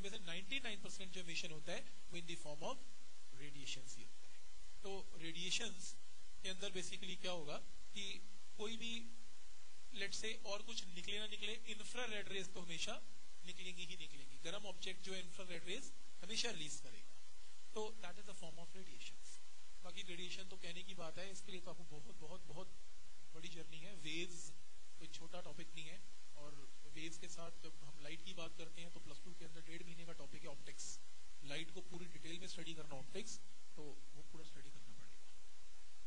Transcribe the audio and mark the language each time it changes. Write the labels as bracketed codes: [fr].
[ur] ویسے 99% جو ایمیشن ہوتا ہے وہ ان دی فارم آف ریڈیشن ہی ہوتا ہے. تو ریڈیشن کے اندر بیسیکلی کیا ہوگا کہ کوئی بھی لیٹ سے اور کچھ نکلے نہ نکلے, انفرا ریڈ ریز تو ہمیشہ نکلیں گی ہی نکلیں گی. گرم آبجیکٹ جو ہے انفرا ریڈ ریز ہمیشہ ریلیز کرے گا. [en] تو that is a form of radiation. [ur] باقی ریڈیشن تو کہنے کی بات ہے, اس کے لیے تو آپ کو بہت بہت بہت بڑی جرنی ہے. ویوز کوئی چھوٹا ٹاپک نہیں ہے, اور ویوز کے ساتھ جب ہم لائٹ کی بات کرتے ہیں تو پلس ٹو کے اندر ڈیڑھ مہینے کا ٹاپک ہے آپٹکس. لائٹ کو پوری ڈیٹیل میں اسٹڈی کرنا, آپٹکس تو وہ پورا اسٹڈی کرنا پڑے گا.